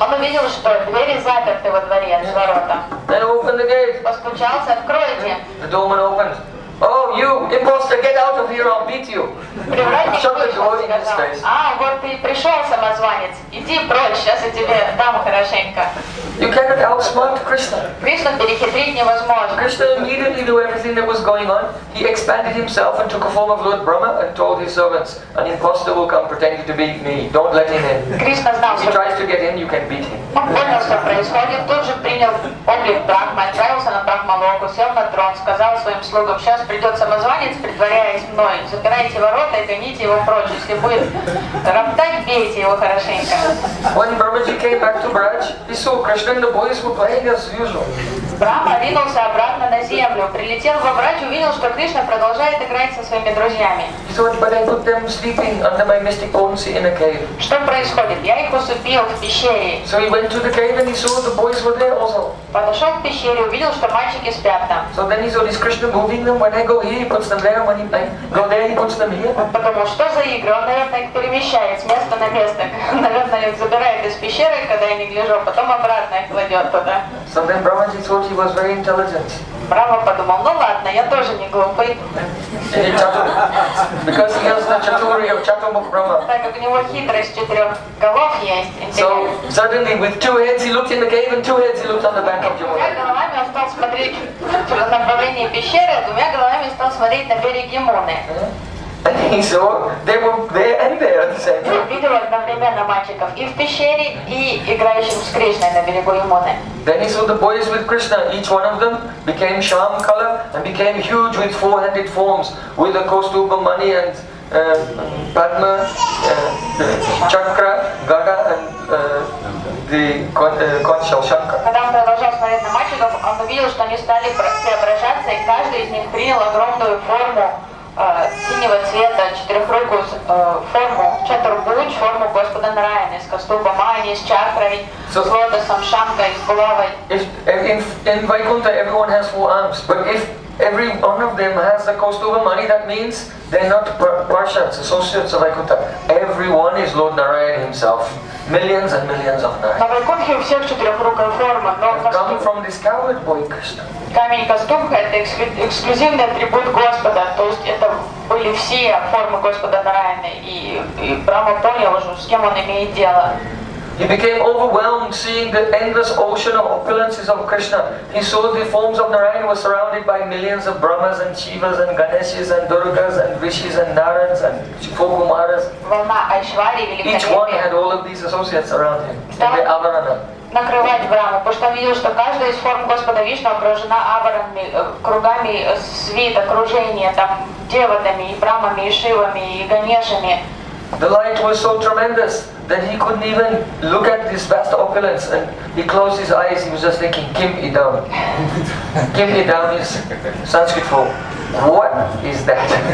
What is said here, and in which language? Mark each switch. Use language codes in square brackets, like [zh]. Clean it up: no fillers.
[ru] Он увидел, что двери заперты во дворе, с ворота. [en] Then open the gate. [ru] Постучался, откройте. [en] The doorman opened. Oh, you imposter, get out of here, I'll beat you. Shut the door in his face. [ru] А, вот ты пришел, самозванец. Иди прочь, сейчас я тебе дам хорошенько. [en] You cannot outsmart Krishna. [ru] Krishna перехитрить невозможно. [en] Krishna immediately knew everything that was going on. He expanded himself and took a form of Lord Brahma and told his servants, an imposter will come pretending to be me. Don't let him in. [ru] Krishna знал, [en] if he tries to get in, you can beat him. [ru] Он понял, что происходит. Тут же принял облик Брахма, отправился на Брахмалоку, сел на трон, сказал своим слугам, сейчас придет самозванец, притворяясь мной. Запирайте ворота и гоните его прочь. Если будет роптать, бейте его хорошенько. [en] When Brahmaji came back to Braj, he saw Krishna and the boys were playing as usual. [ru] Брахма ринулся обратно на землю, прилетел во Брадж, увидел, что Кришна продолжает играть со своими друзьями. [en] He thought, but I put them sleeping under my mystic potency in a cave. [ru] Что происходит? Я их усыпил в пещере. [en] So he went to the cave and he saw the boys were there also. [ru] Подошел к пещере, увидел, что мальчики спят там. [en] So then he saw this Krishna moving them. When I go here, he puts them there. When he go there, he puts them here. [ru] Потому что за игры? Он, наверное, их перемещает с места на место. Наверное, их забирает из пещеры, когда я не гляжу, потом обратно их кладет туда. [en] So then Brahmaji thought he was very intelligent. [ru] Брахма подумал, ну ладно, я тоже не глупый. [en] Because he has the chaturi of Chatumukh Brahma. [ru] Так как у него хитрость четырех голов есть. [en] So suddenly with two heads he looked in the cave and two heads he looked on the bank of Yamuna. [ru] Двумя головами он стал смотреть в направлении пещеры, двумя головами стал смотреть на берег Ямуны. [en] And he saw they were there and there at the same time. [ru] Видел одновременно мальчиков и в пещере, и играющих с Кришной на берегу Ямуны. [en] Then he saw the boys with Krishna. Each one of them became sham color and became huge with four-headed forms, with a kostubha mani and padma, chakra, gada and [ru] когда он продолжал смотреть на мальчиков, он увидел, что они стали преображаться, и каждый из них принял огромную форму синего цвета, четырехрукую форму, чатурбхуж, форму Господа Нараяны, с кастуба мани, с чакрой, с лотосом, шанкой, с головой. [en] In Vaikuntha, everyone has four arms, but if every one of them has the kostubha mani, that means they're not parshats, associates of Vaikuntha. Everyone is Lord Narayan himself. Millions and millions of Narayan. [ru] На Вайкунтхе у всех четырехрукая форма, но [en] come from this coward boy Krishna. [ru] Камень кастубха это эксклюзивный атрибут Господа, то есть это были все формы Господа Нараяны, и Брахма понял уже, с кем он имеет дело. [en] He became overwhelmed seeing the endless ocean of opulences of Krishna. He saw the forms of Narayana were surrounded by millions of Brahmas and Shivas and Ganeshas and Durgas and Rishis and Narans and Shukumaras. Each one had all of these associates around him. The Avarana. [ru] Накрывать Брахму, потому что он видел, что каждая из форм Господа Вишну окружена аваранами, кругами свит, окружения, там, деватами, и Брахмами, и Шивами, и Ганешами. [en] The light was so tremendous that he couldn't even look at this vast opulence, and he closed his eyes. He was just thinking, "Kim Idam." Kim Idam is Sanskrit for "What is that?"